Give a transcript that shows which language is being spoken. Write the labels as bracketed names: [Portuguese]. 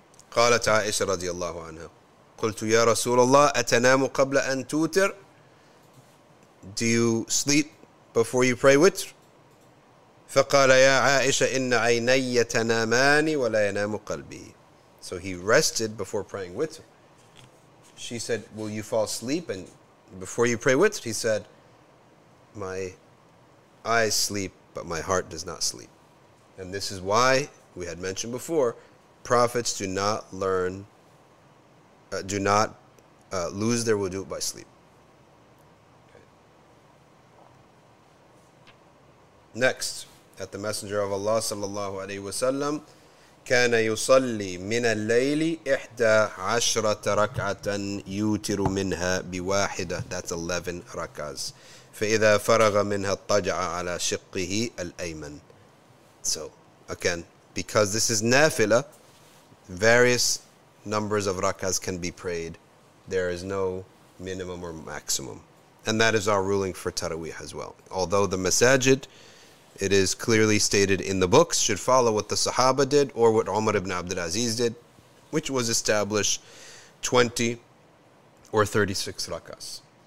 [Arabic] قالت عائشة رضي الله عنها قلت يا رسول الله أتنام قبل أن توتر. [English] Do you sleep before you pray witr? [Arabic] فقال يا عائشة إن عيني تنامان ولا ينام قلبي. [English] So he rested before praying witr. She said, will you fall asleep and before you pray witr? He said, my eyes sleep but my heart does not sleep. And this is why we had mentioned before, Prophets do not learn, lose their wudu by sleep. Okay. Next, at the Messenger of Allah sallallahu alayhi wa sallam, [Arabic] كان يصلي من الليل إحدى عشرة ركعة يوتر منها بواحدة. [English] That's 11 rakas. [Arabic] فإذا فرغ منها الطجع على شقه الأيمن. [English] So, again, because this is nafila, various numbers of rakas can be prayed. There is no minimum or maximum. And that is our ruling for Taraweeh as well. Although the masajid, it is clearly stated in the books, should follow what the Sahaba did or what Umar ibn Abdul Aziz did, which was established 20 or 36 rakas.